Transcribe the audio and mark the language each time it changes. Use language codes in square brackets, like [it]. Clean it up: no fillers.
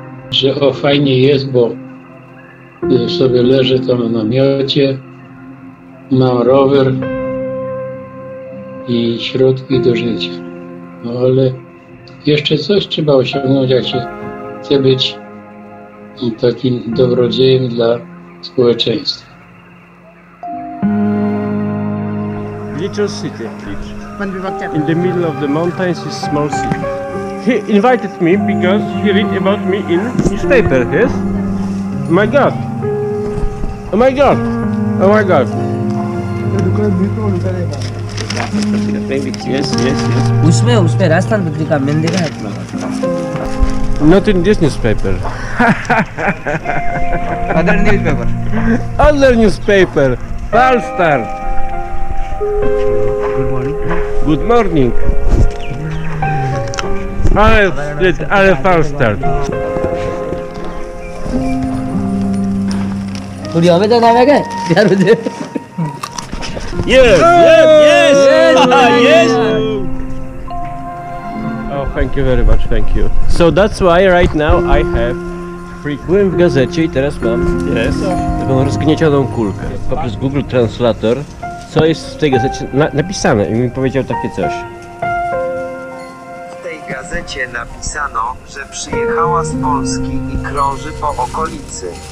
[pl] Że o, fajnie jest, bo sobie leżę tam na namiocie, mam rower i środki do życia. No ale jeszcze coś trzeba osiągnąć, jak się chce być takim dobrodziejem dla społeczeństwa. [en] Little city, please. In the middle of the mountains is small city. he invited me because he read about me in newspaper, yes? My God! Oh my God! Oh my God! Yes, yes, yes. Usme rastar butrika mendira hatma. Not in this newspaper. Other newspaper. Other newspaper. Falstar. Good morning. Good morning. I'm Falstar. Would you have it on our guy? Yes, oh! yes. yes. Oh, thank you very much, thank you. So that's why right now I have [pl] byłem w gazecie i teraz mam taką rozgniecioną kulkę. Poprzez Google Translator, co jest w tej gazecie napisane i mi powiedział takie coś. W tej gazecie napisano, że przyjechała z Polski i krąży po okolicy.